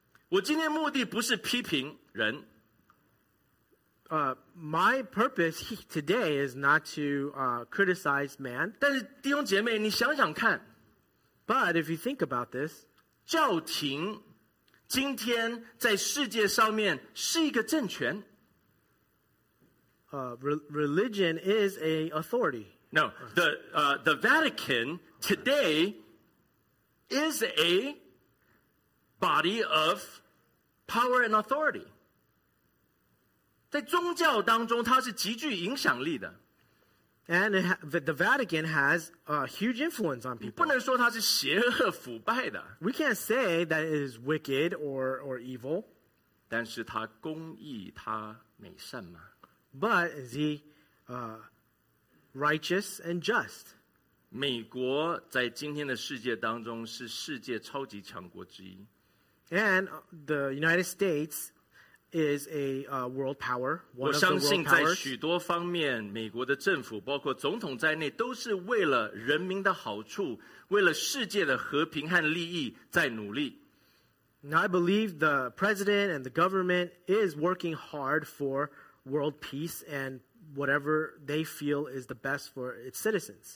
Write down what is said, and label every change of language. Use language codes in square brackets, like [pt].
[zh] 我今天目的不是批评人。 [en] My purpose today is not to criticize man. [zh] 但是弟兄姐妹，你想想看。 [en] But if you think about this, [zh] 教廷今天在世界上面是一个政权。 [en] Religion is a authority. No, the Vatican today is a body of power and authority. [zh] 在宗教当中它是极具影响力的。 [en] And the Vatican has a huge influence on people. [zh] 不能说它是邪恶腐败的。 [en] We can't say that it is wicked or evil. [zh] 但是它公义它美善吗？ [en] But is he righteous and just? [zh] 美国在今天的世界当中是世界超级强国之一。 [en] And the United States... is a world power, one of the world powers. [zh] 我相信在许多方面，美国的政府，包括总统在内，都是为了人民的好处，为了世界的和平和利益在努力。 [en] Now I believe the president and the government is working hard for world peace and whatever they feel is the best for its citizens.